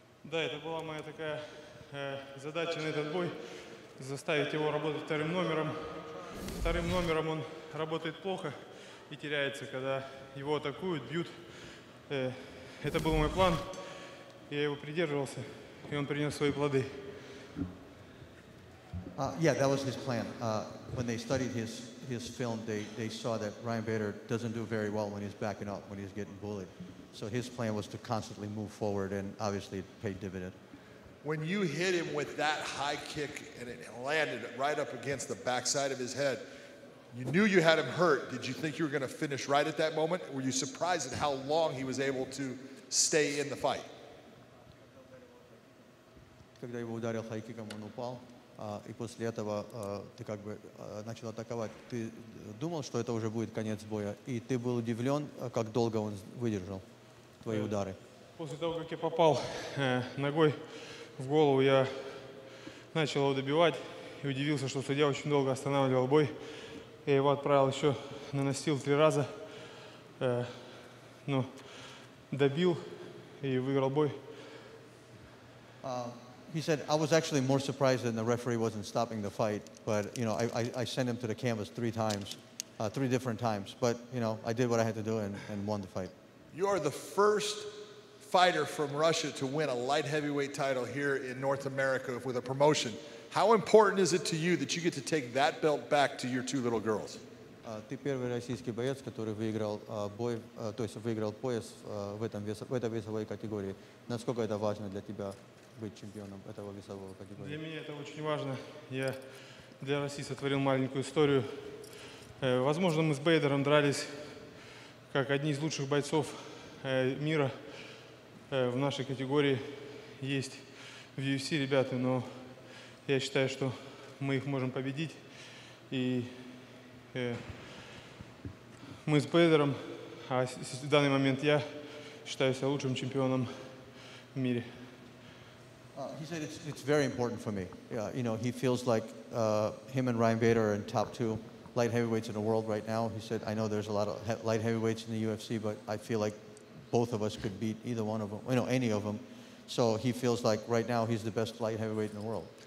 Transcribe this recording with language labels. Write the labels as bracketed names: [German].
[Russian] Да, это была моя такая задача на этот бой заставить его работать вторым номером. Вторым номером он работает плохо и теряется, когда его атакуют, бьют. Это был мой план, я его придерживался, и он принес свои плоды. [English] Yeah, that was his plan. When they studied his film, they saw that Ryan Bader doesn't do very well when he's backing up, when he's getting bullied. So his plan was to constantly move forward, and obviously it paid dividend. When you hit him with that high kick and it landed right up against the backside of his head, you knew you had him hurt. Did you think you were going to finish right at that moment? Were you surprised at how long he was able to stay in the fight? [Russian] Когда его ударил хай-киком, он упал. И после этого ты как бы начал атаковать. Ты думал, что это уже будет конец боя, и ты был удивлен, как долго он выдержал твои удары. После того, как я попал ногой в голову, я начал его добивать и удивился, что судья очень долго останавливал бой. Я его отправил еще, наносил 3 раза, но добил и выиграл бой. [English] He said, I was actually more surprised than the referee wasn't stopping the fight. But, you know, I sent him to the canvas 3 times, 3 different times. But, you know, I did what I had to do and won the fight. You are the first fighter from Russia to win a light heavyweight title here in North America with a promotion. How important is it to you that you get to take that belt back to your 2 little girls? [Russian] Ты первый российский боец, который выиграл бой, то есть выиграл пояс в этом вес, в этой весовой категории. Насколько это важно для тебя? Быть чемпионом этого весового категории. Для меня это очень важно. Я для России сотворил маленькую историю. Возможно, мы с Бейдером дрались как одни из лучших бойцов мира в нашей категории. Есть в UFC ребята, но я считаю, что мы их можем победить. И мы с Бейдером, а в данный момент я считаю себя лучшим чемпионом в мире. [English] He said it's very important for me. You know, he feels like him and Ryan Bader are in top 2 light heavyweights in the world right now. He said, I know there's a lot of light heavyweights in the UFC, but I feel like both of us could beat either one of them, you know, any of them. So he feels like right now he's the best light heavyweight in the world.